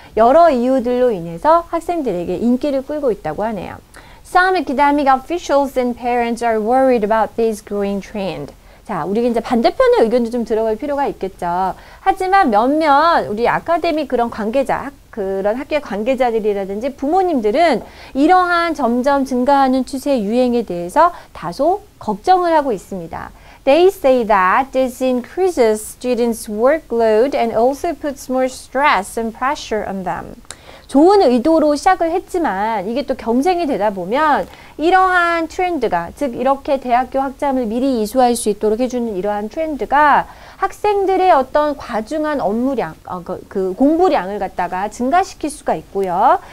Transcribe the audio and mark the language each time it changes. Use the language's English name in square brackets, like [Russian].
[Korean] 여러 이유들로 인해서 학생들에게 인기를 끌고 있다고 하네요. [English] Some academic officials and parents are worried about this growing trend. [Korean] 자, 우리가 이제 반대편의 의견도 좀 들어갈 필요가 있겠죠. 하지만 몇몇 우리 아카데미 그런 관계자, 그런 학교의 관계자들이라든지 부모님들은 이러한 점점 증가하는 추세의 유행에 대해서 다소 걱정을 하고 있습니다. [English] They say that this increases students' workload and also puts more stress and pressure on them. [Korean] 좋은 의도로 시작을 했지만 이게 또 경쟁이 되다 보면 이러한 트렌드가 즉 이렇게 대학교 학점을 미리 이수할 수 있도록 해주는 이러한 트렌드가 학생들의 어떤 과중한 업무량, 그 공부량을 갖다가 증가시킬 수가 있고요.